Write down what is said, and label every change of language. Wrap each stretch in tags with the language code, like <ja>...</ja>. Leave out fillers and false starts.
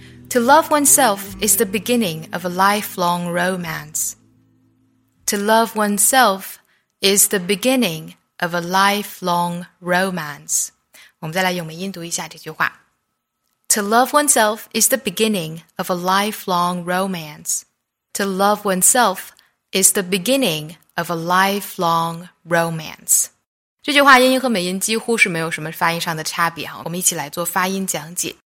<en>To love oneself is the beginning of a lifelong romance. To love oneself is the beginning of a lifelong romance.</en> <zh>我们再来用美音读一下这句话。</zh> <en>To love oneself is the beginning of a lifelong romance. To love oneself is the beginning of a lifelong romance.</en> <zh>这句话音和美音几乎是没有什么发音上的差别，我们一起来做发音讲解。</zh>